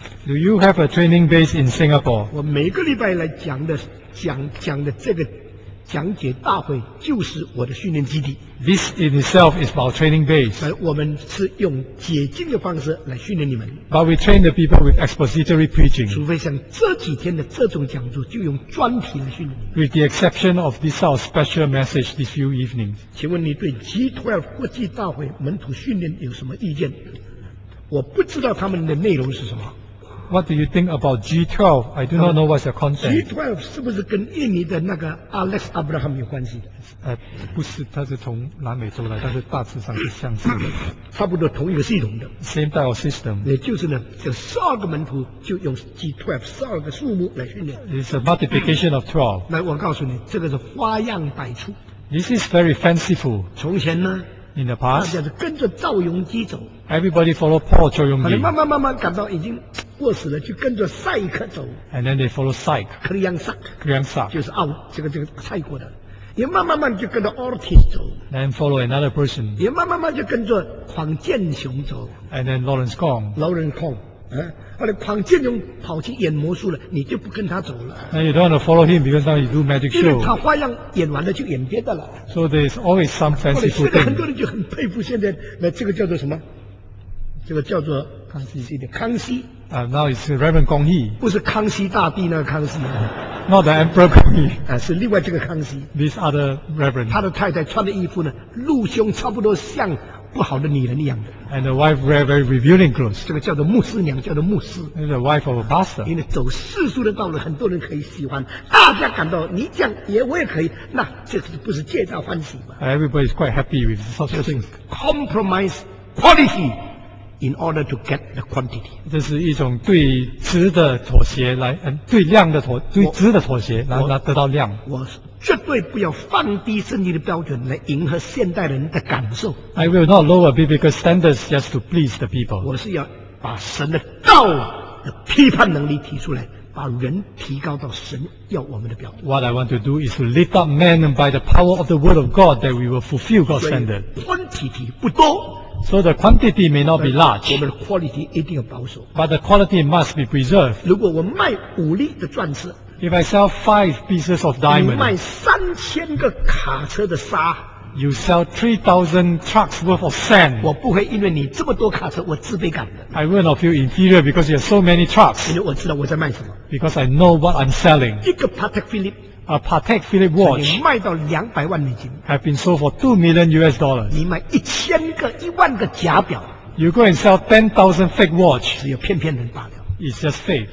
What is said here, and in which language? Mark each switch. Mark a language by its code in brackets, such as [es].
[en] Do you have a training base in Singapore? [zh] 我每个礼拜来讲的这个讲解大会就是我的训练基地。 [en] This in itself is our training base. [zh] 我们是用解经的方式来训练你们。 [en] But we train the people with expository preaching. [zh] 除非像这几天的这种讲座，就用专题来训练你们。 [en] With the exception of this sort of special message this few evenings. [zh] 请问你对 G12 国际大会门徒训练有什么意见？我不知道他们的内容是什么。 [en] What do you think about G12? I do not know what's your content. [zh] G12 是不是跟印尼的那个 Alex Abraham 有关系的？不是，他是从南美洲来，但是大致上是相似的，差不多同一个系统的。 [en] Same type of system. [zh] 也就是呢，就12个门徒就用 G12 12个数目来训练。 [en] It's a multiplication of 12. [zh] 那我告诉你，这个是花样百出。 [en] This is very fanciful. [zh] 从前呢？ [en] In the past, [zh] 大家是跟着赵永基走。 [en] Everybody follow Paul 赵永基。 [zh] 可能慢慢慢慢感到已经过时了，就跟着赛克走。 [en] And then they follow Sike. Kriang Sak. Kriang Sak. [zh] 就是澳这个泰国的，也慢慢慢慢就跟着 Ortiz 走。 [en] Then follow another person. [zh] 也慢慢慢慢就跟着黄建雄走。 [en] And then Lawrence Kong. Lawrence Kong. [zh] 后来庞建雄跑去演魔术了，你就不跟他走了。 [en] 那 you don't want to follow him because now he do magic show. [zh] 因为他花样演完了就演别的了。 [en] So there is always some fancy thing. [zh] 后来现在很多人就很佩服现在那这个叫做什么？这个叫做康熙的康熙。 [en] Now it's Reverend Gong Hi. [zh] 不是康熙大帝那个康熙。 [en] Not the Emperor Gong Hi. [zh] 是另外这个康熙。 [en] This other Reverend. [zh] 他的太太穿的衣服呢，露胸差不多像。不好的女人一样的。 [en] And the wife wear very revealing clothes. [zh] 这个叫做牧师娘，叫做牧师。 [en] And the wife of a pastor. [zh] 因为走世俗的道路，很多人可以喜欢，大家感到你这样也我也可以，那这是不是皆大欢喜吗 [en] ？Everybody is quite happy with such things. Compromise quality in order to get the quantity. [zh] 这是一种对质的妥协来，对量的妥，对质的妥协来得到量。绝对不要放低圣经的标准来迎合现代人的感受。 [en] I will not lower biblical standards just to please the people. [zh] 我是要把神的道的批判能力提出来，把人提高到神要我们的标准。 [en] What I want to do is to lift up men by the power of the word of God that we will fulfill God's standard. [zh] 所以 quantity 不多。 [en] So the quantity may not be large. [zh] 我们的 quality 一定要保守。 [en] But the quality must be preserved. [zh] 如果我卖五粒的钻石。 [en] If I sell 5 pieces of diamond, [zh] 你卖3000个卡车的沙。 [en] You sell 3,000 trucks worth of sand. [zh] 我不会因为你这么多卡车，我自卑感的。 [en] I will not feel inferior because you have so many trucks. [zh] 因为我知道我在卖什么。 [en] Because I know what I'm selling. [zh] 一个 Patek Philippe, [en] a Patek Philippe watch, [zh] 你卖到200万美金。 [en] Have been sold for $2 million. [zh] 你卖1000个、10000个假表。 [en] You go and sell 10,000 fake watch. [zh] 只有骗骗人罢了。 [en] It's just faith.